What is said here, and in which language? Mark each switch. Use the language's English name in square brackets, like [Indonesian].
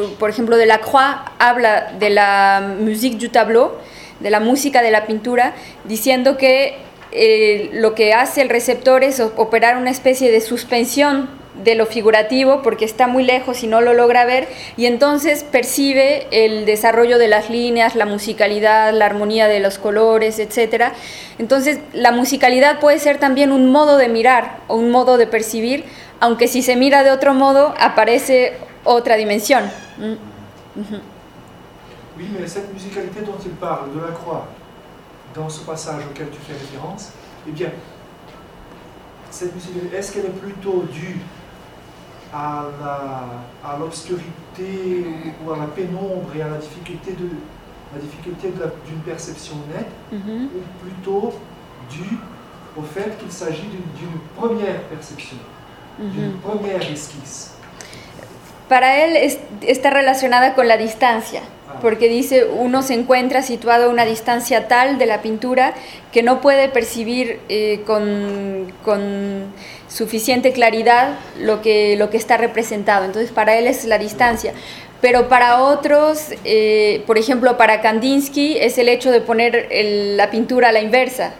[Spanish] Por ejemplo, Delacroix habla de [French] la musique du tableau, [Spanish] de la música de la pintura, diciendo que lo que hace el receptor es operar una especie de suspensión de lo figurativo, porque está muy lejos y no lo logra ver, y entonces percibe el desarrollo de las líneas, la musicalidad, la armonía de los colores, etc. Entonces, la musicalidad puede ser también un modo de mirar o un modo de percibir, aunque si se mira de otro modo, aparece otra dimensión. [French] Oui, mais cette musicalité dont il parle, de la croix, dans ce passage auquel tu fais référence, eh bien, cette musique, est-ce qu'elle est plutôt due à l'obscurité ou à la pénombre et à la difficulté d'une perception nette, ou plutôt due au fait qu'il s'agit d'une première perception, d'une première esquisse? [Spanish] Para él está relacionada con la distancia. Porque dice, uno se encuentra situado a una distancia tal de la pintura que no puede percibir con suficiente claridad lo que está representado. Entonces, para él es la distancia. Pero para otros, por ejemplo, para Kandinsky, es el hecho de poner la pintura a la inversa.